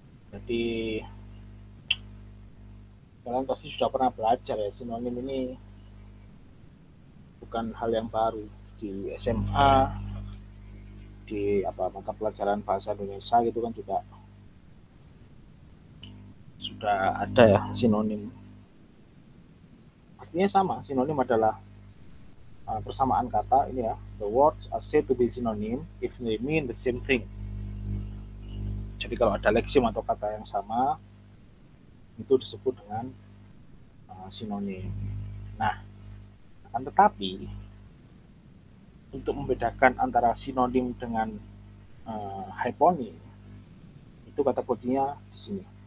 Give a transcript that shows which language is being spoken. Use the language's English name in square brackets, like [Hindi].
[Indonesian] Jadi kalian pasti sudah pernah belajar ya, sinonim ini bukan hal yang baru di SMA, di apa mata pelajaran bahasa Indonesia gitu kan juga sudah ada ya sinonim. Artinya sama, sinonim adalah persamaan kata ini ya. [English] The words are said to be synonym if they mean the same thing. [Indonesian] Jadi kalau ada leksim atau kata yang sama itu disebut dengan sinonim. Nah, akan tetapi untuk membedakan antara sinonim dengan hyponim itu kata kuncinya di sini.